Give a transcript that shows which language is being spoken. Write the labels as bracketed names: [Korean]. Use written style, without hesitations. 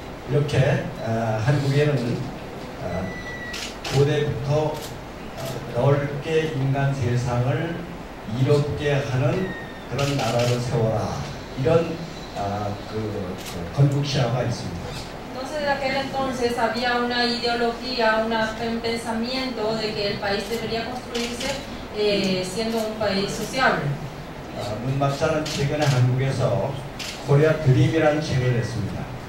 [Korean] 이렇게 한국에는 고대부터 넓게 인간 세상을 이롭게 하는 그런 나라를 세워라 이런 그 건국시화가 있습니다. [Spanish] Entonces, de aquel entonces había una ideología, un pensamiento de que el país debería construirse siendo un país sociable. [Korean] 문 박사는 최근에 한국에서 코리아 드림이라는 책을 냈습니다.